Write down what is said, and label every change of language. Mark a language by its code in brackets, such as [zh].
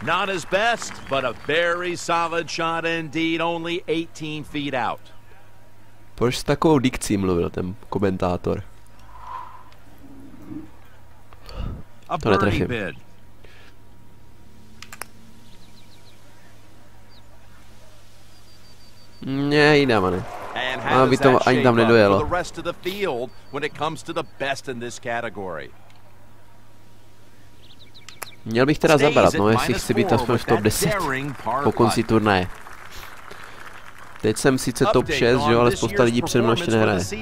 [en] Not as best, but a very solid shot indeed, only 18 feet out. [cs] Proč s takovou dikcí mluvil ten komentátor? To netrefím. Ne, jiná, mané. A by to ani tam nedojelo. [en] The rest of the field when it comes to the best in this category. [cs] Měl bych teda zabrat, no jestli chci být aspoň v top 10 po konci turnaje. Teď jsem sice top 6, jo, ale spousta lidí přede mnou ještě nehraje.